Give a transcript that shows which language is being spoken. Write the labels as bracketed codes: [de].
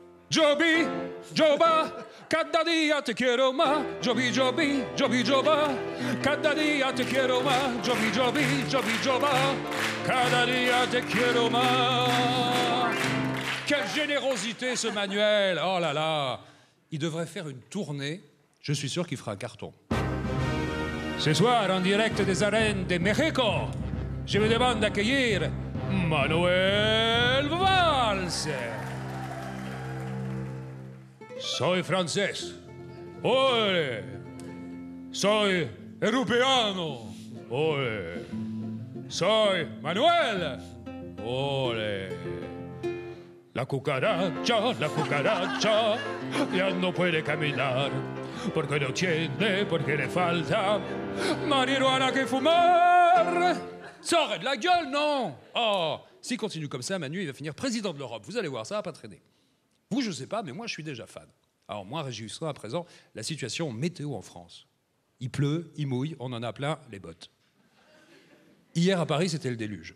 [es] Joby, Joba, cada día te quiero más. Joby, Joby, Joby, Joba, cada día te quiero más. Joby, Joby, Joby, Joba, cada día te quiero más. [fr] Quelle générosité, ce Manuel! Oh là là! Il devrait faire une tournée. Je suis sûr qu'il fera un carton. Ce soir, en direct des arènes de Mexico, je vous demande d'accueillir Manuel Valls! [es] Soy francés. Oye! Soy europeano. Oye! Soy Manuel. Oye! La cucaracha ya no puede caminar porque no tiene, porque le falta marihuana que fumar. [fr] Ça aurait de la gueule, non? Oh, s'il continue comme ça, Manu, il va finir président de l'Europe. Vous allez voir, ça va pas traîner. Vous, je sais pas, mais moi, je suis déjà fan. Alors moi, Régis, à présent, la situation météo en France. Il pleut, il mouille, on en a plein les bottes. Hier à Paris, c'était le déluge.